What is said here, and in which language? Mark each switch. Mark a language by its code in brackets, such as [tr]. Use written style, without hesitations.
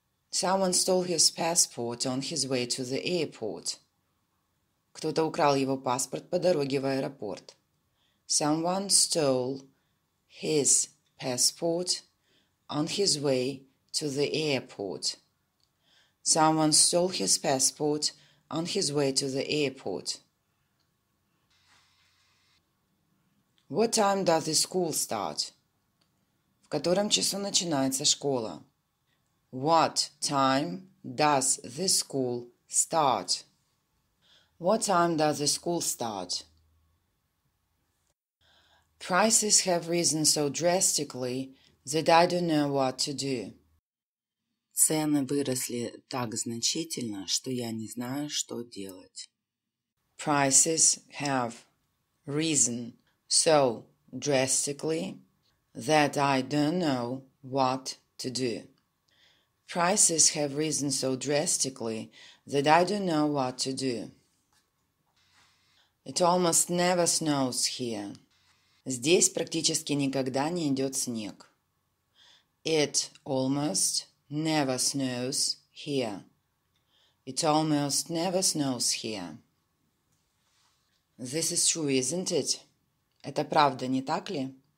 [en] Someone stole his passport on his way to the airport. [ru] Кто-то украл его паспорт по дороге в аэропорт. [en] Someone stole his passport on his way to the airport. Someone stole his passport on his way to the airport. What time does the school start? [ru] В котором часу начинается школа? [en] What time does the school start? What time does the school start? Prices have risen so drastically that I don't know what to do. [ru] Цены выросли так значительно, что я не знаю, что делать. [en] Prices have risen so drastically that I don't know what to do. Prices have risen so drastically that I don't know what to do. It almost never snows here. [ru] Здесь практически никогда не идет снег. [en] It almost never snows here. It almost never snows here. This is true, isn't it? [ru] Это правда, не так ли?